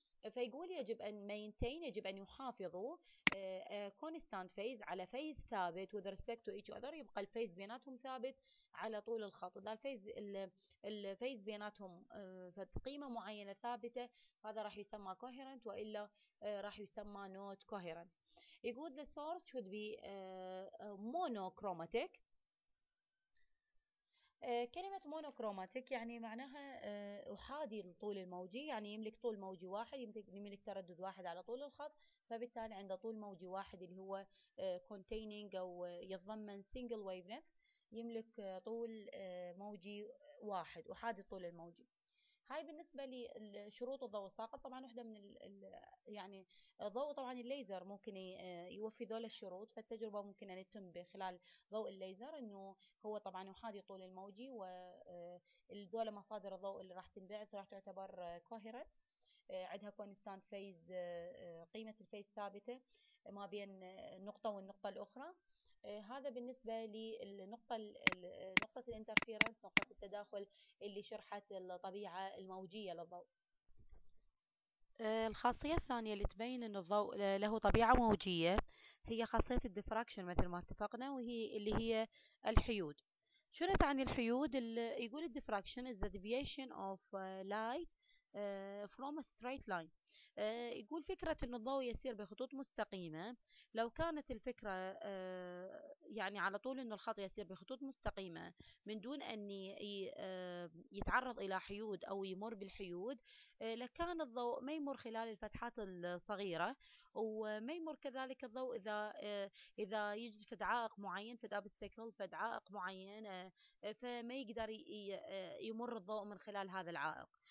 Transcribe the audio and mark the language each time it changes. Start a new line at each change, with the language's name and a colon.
Arabic: فيقول يجب أن maintain، يجب أن يحافظوا constant phase على phase ثابت
English: with respect to each other،
Arabic: يبقى الفيز بيناتهم ثابت على طول الخط، ده الفيز، الفيز بيناتهم فقيمة معينة ثابتة، هذا راح يسمى coherent، وإلا راح يسمى not coherent. يقول
English: the source should be monochromatic.
Arabic: كلمة مونوكروماتيك يعني معناها أحادي الطول الموجي، يعني يملك طول موجي واحد، يملك تردد واحد على طول الخط، فبالتالي عنده طول موجي واحد اللي هو containing أو يتضمن single wavelength، يملك طول موجي واحد، أحادي الطول الموجي. هاي بالنسبة لشروط الضوء الساقط، طبعا واحدة من الـ يعني ضوء، طبعا الليزر ممكن يوفي ذول الشروط، فالتجربة ممكن أن يتم خلال ضوء الليزر، أنه هو طبعا يحادي الطول الموجي، وذول مصادر الضوء اللي راح تنبعث راح تعتبر coherent، عندها constant phase، قيمة الفيز ثابتة ما بين النقطة والنقطة الأخرى. هذا بالنسبة للنقطة، نقطة الانترفيرنس، نقطة التداخل اللي شرحت الطبيعة الموجية للضوء. الخاصية الثانية اللي تبين أن الضوء له طبيعة موجية هي خاصية الدفراكشن مثل ما اتفقنا، وهي اللي هي الحيود. شنو تعني الحيود؟ يقول الدفراكشن
English: is the deviation of light from a straight line.
Arabic: يقول فكرة أن الضوء يسير بخطوط مستقيمة، لو كانت الفكرة يعني على طول أن الخط يسير بخطوط مستقيمة من دون أن يتعرض إلى حيود أو يمر بالحيود، لكان الضوء ما يمر خلال الفتحات الصغيرة، وما يمر كذلك الضوء إذا يجد فد عائق معين، فد obstacle، فد عائق معين، فما يقدر يمر الضوء من خلال هذا العائق.